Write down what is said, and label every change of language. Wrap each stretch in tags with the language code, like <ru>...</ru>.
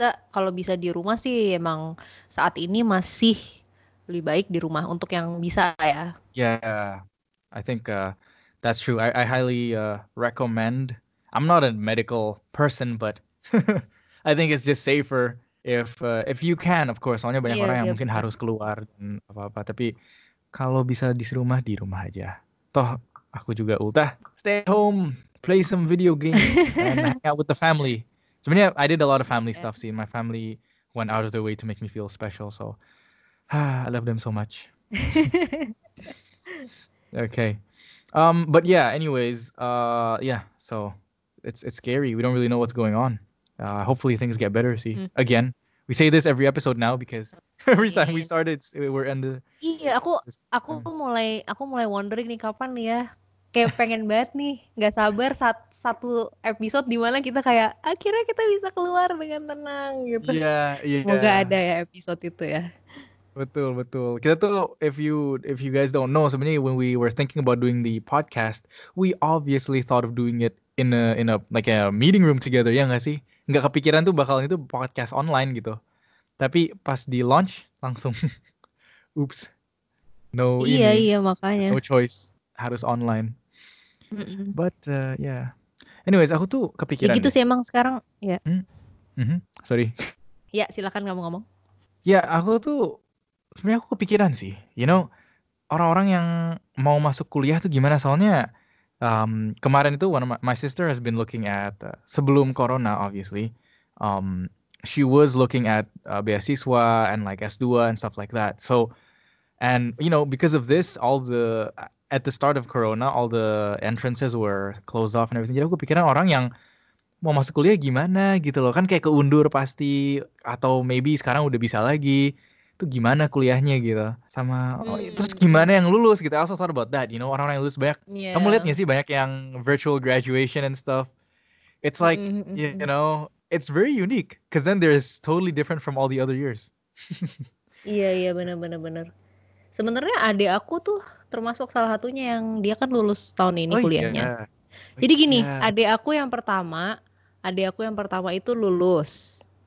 <id>Kalau bisa di rumah sih emang saat ini masih lebih baik di rumah untuk yang bisa ya.</id> <en>Yeah, I think that's true. I highly recommend. I'm not a medical person, but I think it's just safer if you can, of course.</en> <id>Soalnya banyak orang yang mungkin harus keluar dan apa-apa. Tapi kalau bisa di rumah aja. Toh aku juga ultah.</id> <en>Stay home, play some video games, and hang out with the family.</en> <id>Sebenarnya,</id> <en>I did a lot of family stuff. See, my family went out of their way to make me feel special. So, I love them so much. Okay. But yeah. Anyways. So, it's scary. We don't really know what's going on. Hopefully, things get better. See, again, we say this every episode now because every time we started, we're in the.</en> <id>Aku mulai</id> <en>wondering</en> <id>nih kapan nih ya. Kayak pengen banget nih, gak sabar satu episode dimana kita kayak akhirnya kita bisa keluar dengan tenang gitu. Semoga ada ya episode itu ya. Betul. Kita tuh,</id> <en>if you guys don't know,</en> <id>sebenarnya</id> <en>when we were thinking about doing the podcast, we obviously thought of doing it in a meeting room together,</en> <id>ya gak sih? Gak kepikiran tuh bakalan itu podcast online gitu. Tapi pas di launch, langsung,</id> <en>oops. No,</en> <id>iya makanya.</id> <en>No choice.</en> <id>Harus online.</id> <en>But anyways,</en> <id>aku tuh kepikiran. Ya gitu sih emang sekarang, ya. Sorry. Ya, silakan kamu ngomong. Ya, aku tuh sebenarnya aku kepikiran sih.</id> <en>You know,</en> <id>orang-orang yang mau masuk kuliah tuh gimana? Soalnya kemarin itu</id> <en>my sister has been looking at</en> <id>sebelum corona</id> <en>obviously. She was looking at beasiswa and like S2 and stuff like that. So and you know, because of this at the start of corona, all the entrances were closed off and everything.</en> <id>Jadi aku pikiran orang yang mau masuk kuliah gimana gitu loh. Kan kayak keundur pasti. Atau</id> <en>maybe</en> <id>sekarang udah bisa lagi. itu gimana kuliahnya gitu, sama oh, terus gimana yang lulus gitu.</id> <en>I also thought about that, you know,</en> <id>orang-orang yang lulus banyak. Kamu lihat nggak sih banyak yang</id> <en>virtual graduation and stuff. It's like you know, it's very unique because then there's totally different from all the other years.</en> <id>Iya, benar. Sebenarnya adik aku tuh termasuk salah satunya yang dia kan lulus tahun ini kuliahnya. Jadi gini, adik aku yang pertama itu lulus.</id>